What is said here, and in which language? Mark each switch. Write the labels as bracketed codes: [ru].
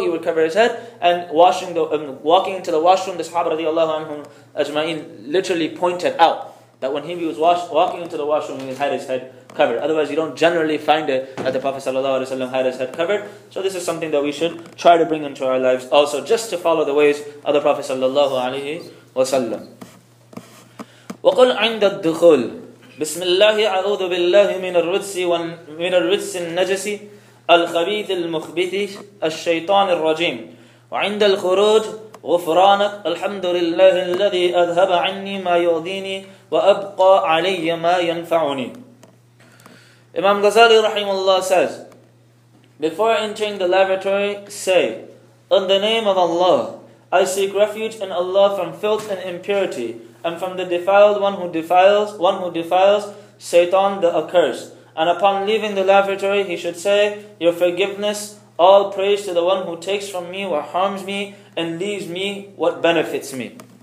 [en] He would cover his head, and walking into the washroom, the Sahaba radiallahu anhum ajma'in literally pointed out that when he was walking into the washroom, he had his head covered. Otherwise, you don't generally find it that the Prophet sallallahu alaihi wasallam had his head covered. So this is something that we should try to bring into our lives also, just to follow the ways of the Prophet sallallahu alaihi wasallam. [ar] وَقُلْ عِنْدَ الدُّخُولِ بِسْمِ اللَّهِ أَعُوذُ بِاللَّهِ مِنَ الرِّجْسِ النَّجَسِ الْخَبِيثِ الْمُخْبِثِ الشَّيْطَانِ الرَّجِيمِ وَعِنْدَ الْخُرُوجِ غُفْرَانَكَ الْحَمْدُ لِلَّهِ الَّذِي أَذْهَبَ عَنِّي مَا يُؤْذِينِي وَأَبْقَى عَلَيَّ مَا يَنْفَعُنِي. [en] Imam Ghazali rahimullah says, Before entering the lavatory, say, in the name of Allah, I seek refuge in Allah from filth and impurity, and from the defiled one who defiles, Satan the accursed. And upon leaving the lavatory, he should say, your forgiveness, all praise to the one who takes from me what harms me and leaves me what benefits me.